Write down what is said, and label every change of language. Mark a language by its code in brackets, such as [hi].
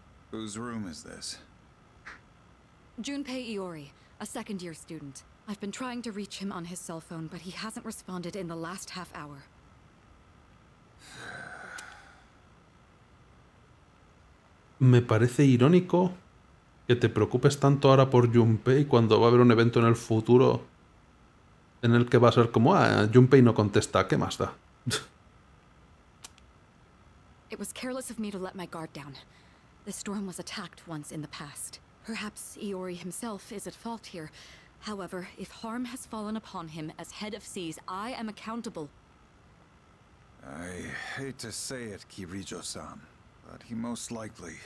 [en] Whose room is this? Junpei Iori, a second year student. I've been trying to reach him on his cell phone, but he hasn't responded in the last half hour. [es] Me parece irónico que te preocupes tanto ahora por Junpei cuando va a haber un evento en el futuro en el que va a ser como, ah, Junpei no contesta, ¿qué más da? [en] It was careless of me to let my guard down. The storm was attacked once in the past. Perhaps Iori himself is at fault here. However, if harm has fallen upon him as head of seas, I am accountable. I hate to say it, Kirijo-san, but he most likely...